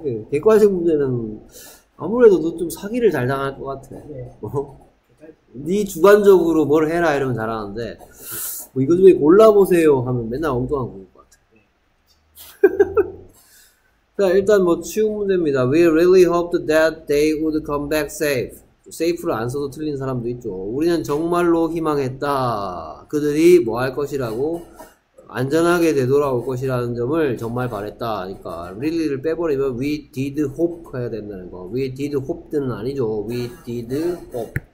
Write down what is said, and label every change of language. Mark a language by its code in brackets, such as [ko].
[ko] 네, 대과생 문제는 아무래도 너 좀 사기를 잘 당할 것 같아. 네. 네 주관적으로 뭘 해라 이러면 잘하는데 뭐 이거 좀 골라보세요 하면 맨날 엉뚱한 거. 자, 일단 뭐 쉬운 문제입니다. [en] We really hoped that they would come back safe. [ko] safe를 안 써도 틀린 사람도 있죠. 우리는 정말로 희망했다. 그들이 뭐 할 것이라고 안전하게 되돌아올 것이라는 점을 정말 바랬다. 그러니까 really를 빼버리면 [en] we did hope [ko] 해야 된다는 거. [en] we did hope [ko] 는 아니죠. [en] we did hope.